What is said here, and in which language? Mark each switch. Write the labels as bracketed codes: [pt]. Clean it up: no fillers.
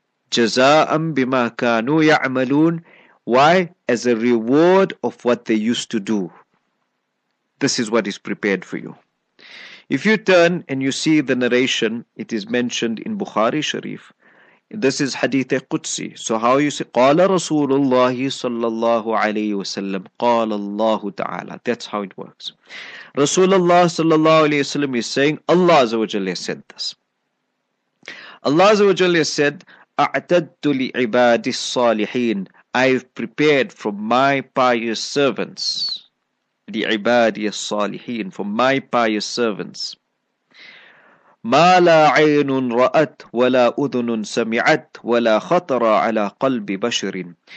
[ar] Jaza'an bima kanu ya'malun. [en] Why? As a reward of what they used to do. This is what is prepared for you. If you turn and you see the narration, it is mentioned in Bukhari Sharif. This is Hadith Qudsi. So how you say, [ar] قَالَ رَسُولُ اللَّهِ صَلَّى اللَّهُ عَلَيْهِ وَسَلَّمْ قَالَ اللَّهُ تَعَالَى. [en] That's how it works. Rasulullah صلى الله عليه وسلم is saying, Allah عز وجل has said this. [ar] Allah عز وجل [en] has said, [ar] أَعْتَدْتُ لِعِبَادِ الصَّالِحِينَ. [en] I've prepared for my pious servants. [ar] لِعِبَادِ الصَّالِحِينَ. [en] For my pious servants. [ar] مَا لَا عَيْنٌ رَأَتْ وَلَا أُذُنٌ سَمِعَتْ وَلَا خَطَرَ عَلَى قَلْبِ بَشْرٍ.